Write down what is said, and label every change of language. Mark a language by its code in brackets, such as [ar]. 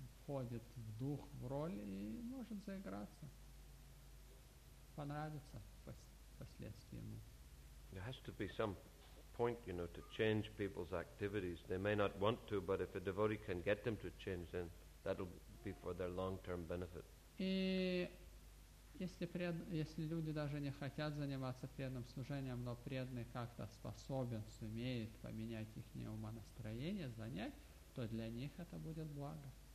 [ru] входит в дух, в роль и может заиграться. Понравится впоследствии ему. [en] There has to be some point, you know, to change people's activities. They may not want to, but if a devotee can get them to change, then that'll be for their long-term benefit. [ru] И если люди даже не хотят заниматься преданным служением, но преданный как-то способен, сумеет поменять их умонастроение, занять, то для них это будет благо.